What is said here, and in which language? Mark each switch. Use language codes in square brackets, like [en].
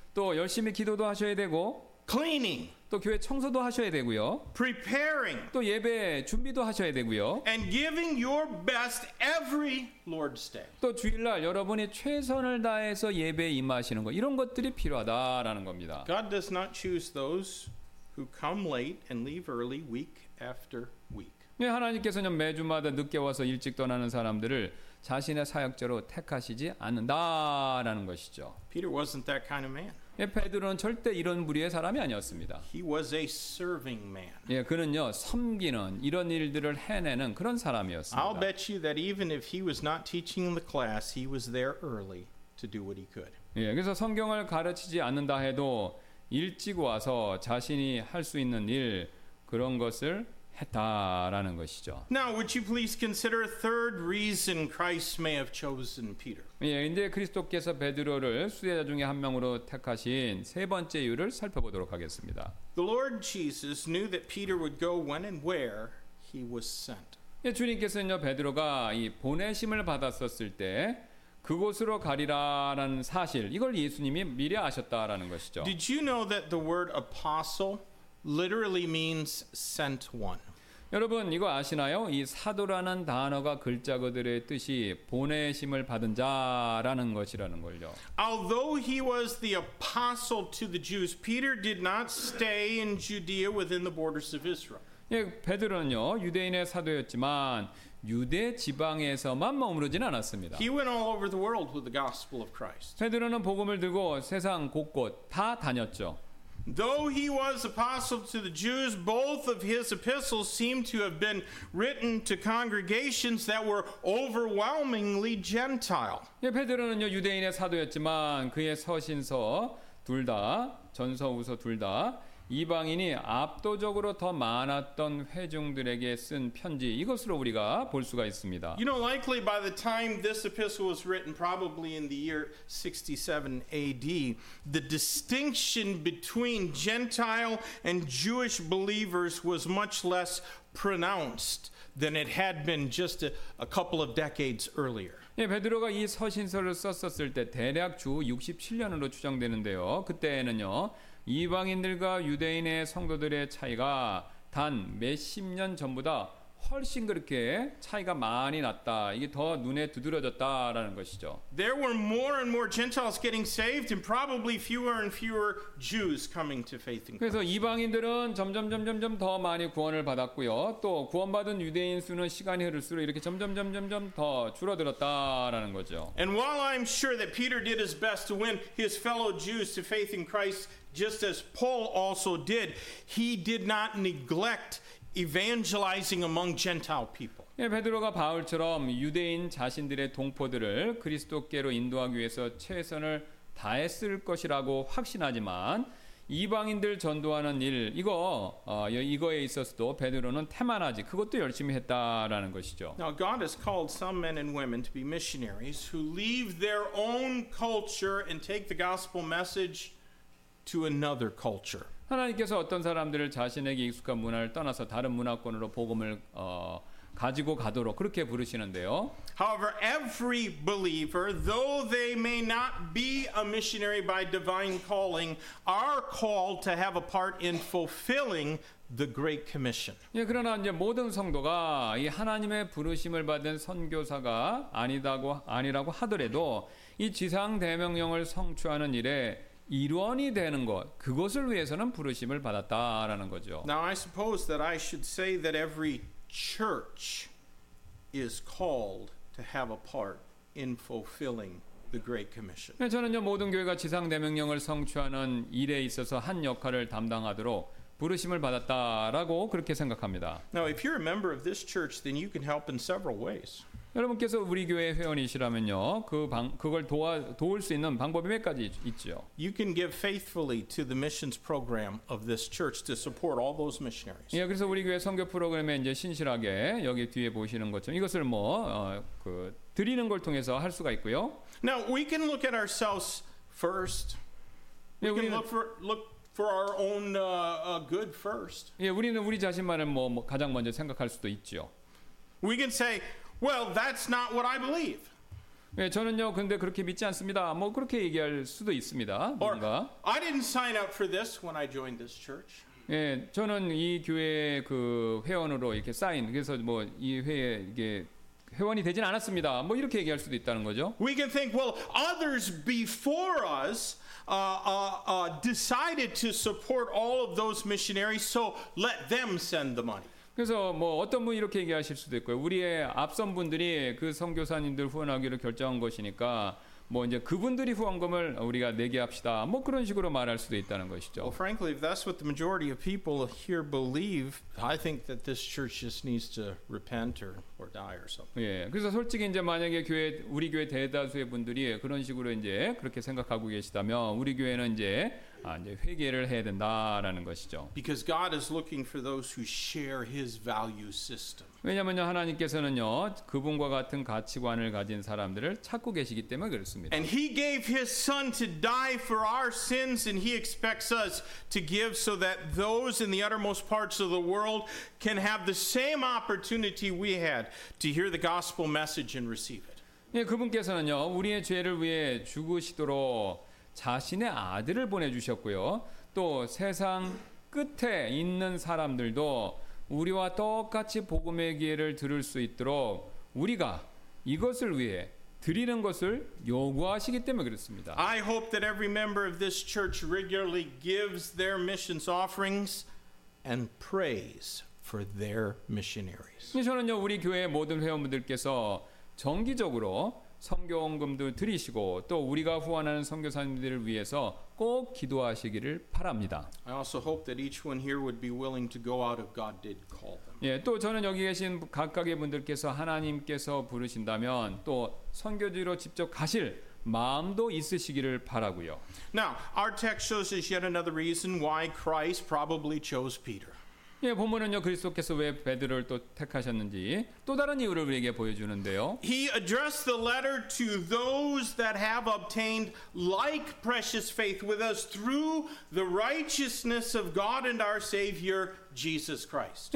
[ko] 또 열심히 기도도 하셔야 되고. [en] Cleaning. [ko] 또 교회 청소도 하셔야 되고요. [en] Preparing. [ko] 또 예배 준비도 하셔야 되고요. [en] And giving your best every Lord's day. [ko] 또 주일날 여러분이 최선을 다해서 예배에 임하시는 것 이런 것들이 필요하다라는 겁니다. [en] God does not choose those who come late and leave early week after week. [ko] 예, 하나님께서는 매주마다 늦게 와서 일찍 떠나는 사람들을 자신의 사역자로 택하시지 않는다라는 것이죠. [en] Peter wasn't that kind of man. [ko] 예, 베드로는 절대 이런 부류의 사람이 아니었습니다. [en] He was a serving man. [ko] 예, 그는요 섬기는 이런 일들을 해내는 그런 사람이었습니다. [en] I'll bet you that even if he was not teaching in the class, he was there early to do what he could. [ko] 예, 그래서 성경을 가르치지 않는다 해도 일찍 와서 자신이 할 수 있는 일 그런 것을 했다라는 것이죠. [en] Now, would you please consider a third reason Christ may have chosen Peter? [ko] 예, 이제 그리스도께서 베드로를 수제자 중에 한 명으로 택하신 세 번째 이유를 살펴보도록 하겠습니다. [en] The Lord Jesus knew that Peter would go when and where he was sent. [ko] 예, 주님께서는요 베드로가 이 보내심을 받았었을 때 그곳으로 가리라라는 사실 이걸 예수님이 미리 아셨다라는 것이죠. [en] Did you know that the word apostle literally means sent one. [ko] 여러분 이거 아시나요? 이 사도라는 단어가 글자 그대로의 뜻이 보내심을 받은 자라는 것이라는 걸요. [en] Although he was the apostle to the Jews, Peter did not stay in Judea within the borders of Israel. [ko] 예, 베드로는요 유대인의 사도였지만 유대 지방에서만 머무르진 않았습니다. [en] He went all over the world with the gospel of Christ. [ko] 베드로는 복음을 들고 세상 곳곳 다 다녔죠. [en] Though he was apostle to the Jews, both of his epistles seem to have been written to congregations that were overwhelmingly Gentile. [ko] 예, 베드로는요 유대인의 사도였지만 그의 서신서 둘 다 전서우서 둘 다 이방인이 압도적으로 더 많았던 회중들에게 쓴 편지 이것으로 우리가 볼 수가 있습니다. [en] You know, likely by the time this epistle was written, probably in the year 67 AD, the distinction between Gentile and Jewish believers was much less pronounced than it had been just a couple of decades earlier. [ko] 예, 베드로가 이 서신서를 썼었을 때 대략 주 67년으로 추정되는데요. 그때에는요. 이방인들과 유대인의 성도들의 차이가 단 몇십 년 전보다 훨씬 그렇게 차이가 많이 났다. 이게 더 눈에 두드려졌다라는 것이죠. [en] There were more and more Gentiles getting saved and probably fewer and fewer Jews coming to faith in Christ. [ko] 그래서 이방인들은 점점 더 많이 구원을 받았고요. 또 구원받은 유대인 수는 시간이 흐를수록 이렇게 점점 더 줄어들었다라는 거죠. [en] And while I'm sure that Peter did his best to win his fellow Jews to faith in Christ just as Paul also did, he did not neglect evangelizing among Gentile people. [ko] 예, 베드로가 바울처럼 유대인 자신들의 동포들을 그리스도께로 인도하기 위해서 최선을 다했을 것이라고 확신하지만 이방인들 전도하는 일 이거에 있어서도 베드로는 태만하지 그것도 열심히 했다라는 것이죠. [en] Now God has called some men and women to be missionaries who leave their own culture and take the gospel message to another culture. [ko] 하나님께서 어떤 사람들을 자신에게 익숙한 문화를 떠나서 다른 문화권으로 복음을 가지고 가도록 그렇게 부르시는데요. [en] However, every believer, though they may not be a missionary by divine calling, are called to have a part in fulfilling the Great Commission. [ko] 예, 그러나 이제 모든 성도가 이 하나님의 부르심을 받은 선교사가 아니라고 하더라도 이 지상 대명령을 성취하는 일에 일원이 되는 것 그것을 위해서는 부르심을 받았다라는 거죠. [en] Now I suppose that I should say that every church is called to have a part in fulfilling the Great Commission. [ko] 저는요 모든 교회가 지상 대명령을 성취하는 일에 있어서 한 역할을 담당하도록 부르심을 받았다라고 그렇게 생각합니다. [en] Now if you're a member of this church, then you can help in several ways. [ko] 여러분께서 우리 교회 회원이시라면요, 그걸 도울 수 있는 방법이 몇 가지 있죠. [en] You can give faithfully to the missions program of this church to support all those missionaries. [ko] 예, 그래서 우리 교회 선교 프로그램에 이제 신실하게 여기 뒤에 보시는 것처럼 이것을 뭐 드리는 걸 통해서 할 수가 있고요. [en] Now we can look at ourselves first. We can look for our own good first. [ko] 예, 우리는 우리 자신만을 뭐 가장 먼저 생각할 수도 있죠. [en] We can say, well, that's not what I believe. [ko] 예, 저는요, 근데 그렇게 믿지 않습니다. 뭐 그렇게 얘기할 수도 있습니다. 뭔가. [en] Or, I didn't sign up for this when I joined this church. [ko] 예, 저는 이 교회 그 회원으로 이렇게 사인. 그래서 뭐 이 회에 이게 회원이 되진 않았습니다. 뭐 이렇게 얘기할 수도 있다는 거죠. [en] We can think, well, others before us decided to support all of those missionaries, so let them send the money. [ko] 그래서 뭐 어떤 분 이렇게 얘기하실 수도 있고요. 우리의 앞선 분들이 그 선교사님들 후원하기로 결정한 것이니까 뭐 이제 그분들이 후원금을 우리가 내게 합시다. 뭐 그런 식으로 말할 수도 있다는 것이죠. [en] Well, frankly, if that's what the majority of people here believe, I think that this church just needs to repent or die or something. [ko] 예. 그래서 솔직히 이제 만약에 우리 교회 대다수의 분들이 그런 식으로 이제 그렇게 생각하고 계시다면 우리 교회는 이제 이제 회개를 해야 된다라는 것이죠. [en] Because God is looking for those who share His value system. [ko] 왜냐면요 하나님께서는요 그분과 같은 가치관을 가진 사람들을 찾고 계시기 때문에 그렇습니다. [en] And He gave His Son to die for our sins, and He expects us to give so that those in the uttermost parts of the world can have the same opportunity we had to hear the gospel message and receive it. [ko] 예, 그분께서는요 우리의 죄를 위해 죽으시도록 자신의 아들을 보내주셨고요. 또 세상 끝에 있는 사람들도 우리와 똑같이 복음의 기회를 들을 수 있도록 우리가 이것을 위해 드리는 것을 요구하시기 때문에 그렇습니다. [en] I hope that every member of this church regularly gives their missions offerings and prays for their missionaries. [ko] 저는요 우리 교회의 모든 회원분들께서 정기적으로 선교원금도 드리시고 또 우리가 후원하는 선교사님들을 위해서 꼭 기도하시기를 바랍니다. [en] I also hope that each one here would be willing to go out if God did call them. [ko] 예, 또 저는 여기 계신 각각의 분들께서 하나님께서 부르신다면 또 선교지로 직접 가실 마음도 있으시기를 바라고요. [en] Now, our text shows us yet another reason why Christ probably chose Peter. [ko] 예, 본문은요 그리스도께서 왜 베드로를 또 택하셨는지 또 다른 이유를 우리에게 보여주는데요. [en] He addressed the letter to those that have obtained like precious faith with us through the righteousness of God and our Savior Jesus Christ.